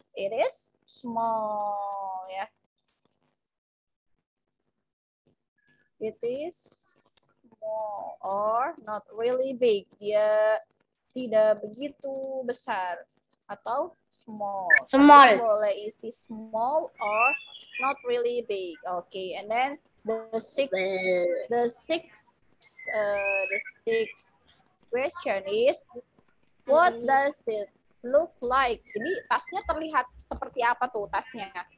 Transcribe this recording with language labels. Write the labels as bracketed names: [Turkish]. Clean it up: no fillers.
[English] It is small ya. It is small or not really big. [Indonesian] Dia tidak begitu besar atau small. [English] Small. [Indonesian] Kamu boleh isi [English] small or not really big. Okay, and then the six question is what does it look like? [Indonesian] Jadi tasnya terlihat seperti apa tuh tasnya?